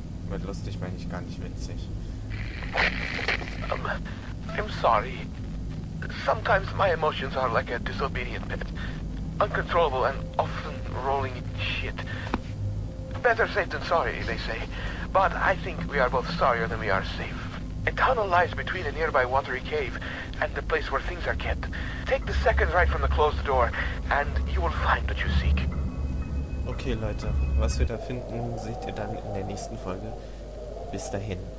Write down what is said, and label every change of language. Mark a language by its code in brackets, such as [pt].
[de] Mit lustig meine ich gar nicht witzig. [en] I'm sorry. Sometimes my emotions are like a disobedient pet. Uncontrollable and often rolling in shit. Better safe than sorry, they say. But I think we are both sorrier than we are safe. A tunnel lies between a nearby watery cave and the place where things are kept. Take the second right from the closed door and you will find what you seek. [de] Okay, Leute. Was wir da finden, seht ihr dann in der nächsten Folge. Bis dahin.